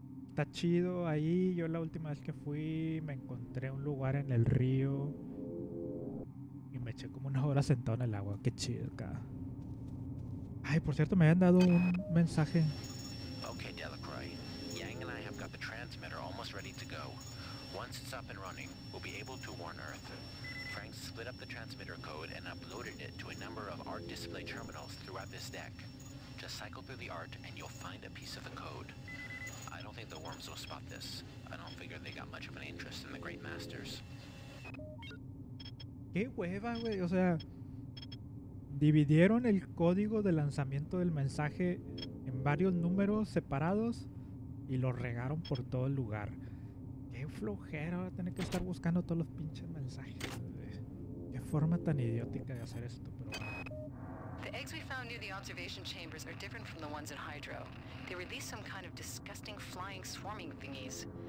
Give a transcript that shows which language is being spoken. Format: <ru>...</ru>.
<es>Está chido ahí. Yo la última vez que fui me encontré un lugar en el río. Me eché como una hora sentado en el agua. Qué chido, cara. Ay, por cierto, me habían dado un mensaje.</es> <en>Okay, Delacroix. Yang and I have got the transmitter almost ready to go. Once it's up and running, we'll be able to warn Earth. Frank split up the transmitter code and uploaded it to a number of art display terminals throughout this deck. Just cycle through the art and you'll find a piece of the code. I don't think the worms will spot this. I don't figure they got much of an interest in the Great Masters.</en> <es>¡Qué hueva, güey! O sea, dividieron el código de lanzamiento del mensaje en varios números separados y lo regaron por todo el lugar. ¡Qué flojera! Ahora tener que estar buscando todos los pinches mensajes, güey. ¡Qué forma tan idiótica de hacer esto, pero...</es> <en>The eggs we found near the observation chambers are different from the ones in Hydro. They release some kind of disgusting flying swarming thingies.</en>